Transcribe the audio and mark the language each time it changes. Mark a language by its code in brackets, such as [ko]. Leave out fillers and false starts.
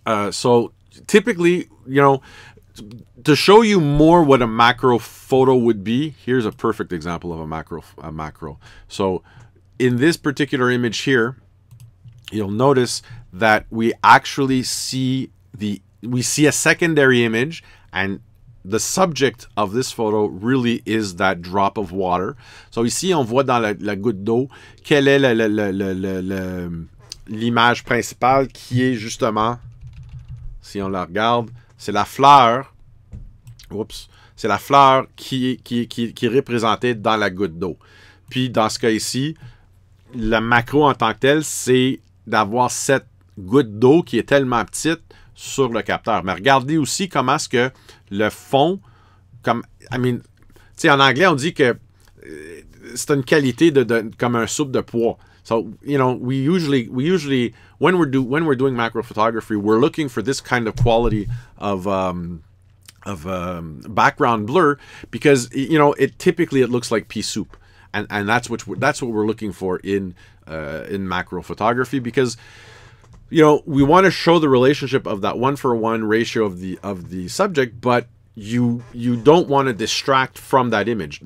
[en] So typically, you know, to show you more what a macro photo would be, here's a perfect example of a macro. So in this particular image here, you'll notice that we actually see a secondary image, and the subject of this photo really is that drop of water. [fr] So ici, on voit dans la goutte d'eau, quelle est l'image principale qui est justement, si on la regarde, c'est la fleur. Oups, c'est la fleur qui est représentée dans la goutte d'eau. Puis dans ce cas ici, la macro en tant que telle, c'est d'avoir cette goutte d'eau qui est tellement petite sur le capteur. Mais regardez aussi comment est-ce que le fond, en anglais on dit que c'est une qualité de comme un soupe de pois. [en] So, you know, we usually when we're doing macro photography, we're looking for this kind of quality of background blur, because you know it typically looks like pea soup, and that's what we're looking for in macro photography, because you know we want to show the relationship of that 1-for-1 ratio of the subject, but you don't want to distract from that image.